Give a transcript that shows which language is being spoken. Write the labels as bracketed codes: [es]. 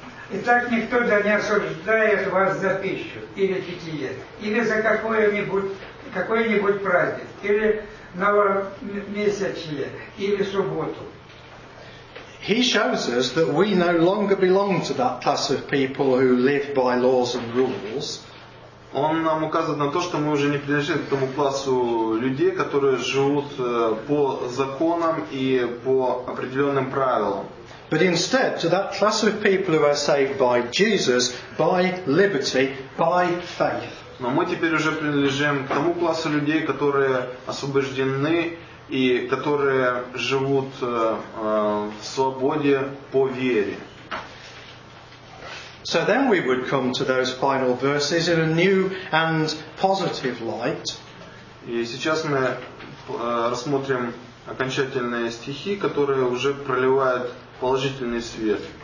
[ru] Итак никто не осуждает вас за пищу или питье, или за какой-нибудь праздник, или новомесячье, или субботу. [en] He shows us that we no longer belong to that class of people who live by laws and rules. [ru] Он нам указывает на то, что мы уже не принадлежим к тому классу людей, которые живут по законам и по определенным правилам. [en] But instead to that class of people who are saved by Jesus, by liberty, by faith. [ru] Но мы теперь уже принадлежим к тому классу людей, которые освобождены и которые живут в свободе по вере. [en] So then we would come to those final verses in a new and positive light. [ru] И сейчас мы рассмотрим окончательные стихи, которые уже проливают положительный свет.